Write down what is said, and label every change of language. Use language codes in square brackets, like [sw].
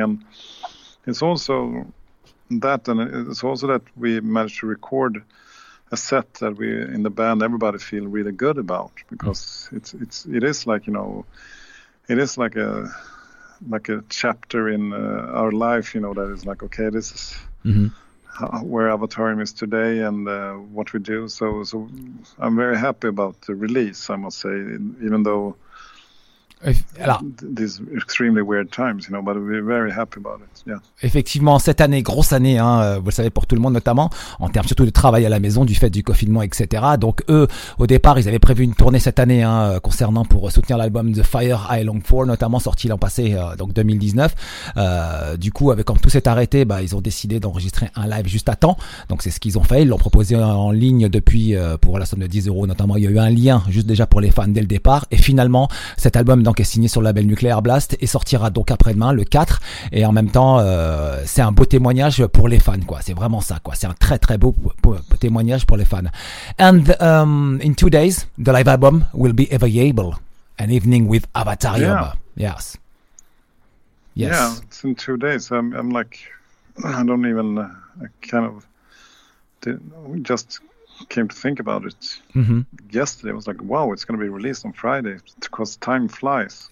[en] And it's also that, and it's also that we managed to record a set that we in the band, everybody feel really good about, because it is like, you know, it is like a chapter in our life, you know, that is like, okay, this is where Avatarium is today and what we do. So I'm very happy about the release, I must say, even though these extremely weird times, you know, but we're very happy about it. Yeah. [fr] Effectivement, cette année, grosse année, hein, vous le savez, pour tout le monde notamment, en termes surtout de travail à la maison, du fait du confinement, etc. Donc eux, au départ, ils avaient prévu une tournée cette année, hein, concernant pour soutenir l'album The Fire I Long For, notamment sorti l'an passé, donc 2019. Du coup, avec quand tout s'est arrêté, bah, ils ont décidé d'enregistrer un live juste à temps. Donc c'est ce qu'ils ont fait. Ils l'ont proposé en ligne depuis pour la somme de 10 euros. Notamment, il y a eu un lien juste déjà pour les fans dès le départ. Et finalement, cet album, donc, est signé sur le label Nuclear Blast et sortira donc après-demain, le 4. Et en même temps, c'est un beau témoignage pour les fans, quoi. C'est vraiment ça, quoi. C'est un très très beau témoignage pour les fans. [en] And in 2 days, the live album will be available. An evening with Avatarium. Yeah. Yes. Yeah, it's in 2 days. I'm like, I don't even, I kind of just came to think about it yesterday. I was like, wow, it's going to be released on Friday, because time flies.